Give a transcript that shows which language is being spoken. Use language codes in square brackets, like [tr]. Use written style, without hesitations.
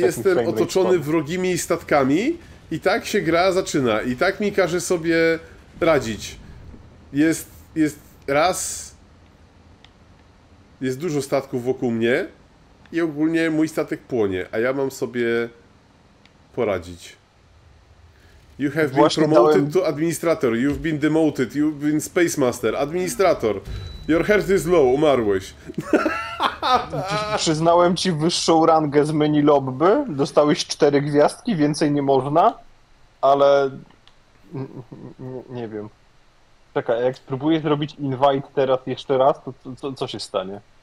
[pl] jestem otoczony wrogimi statkami i tak się gra zaczyna. I tak mi każe sobie radzić. Jest raz... Jest dużo statków wokół mnie i ogólnie mój statek płonie, a ja mam sobie poradzić. [en] You have been promoted to administrator, you've been demoted, you've been space master, administrator. Your health is low, [pl] umarłeś. Przyznałem ci wyższą rangę z menu lobby, dostałeś 4 gwiazdki, więcej nie można, ale nie wiem. Czekaj, jak spróbuję zrobić invite teraz jeszcze raz, to co się stanie?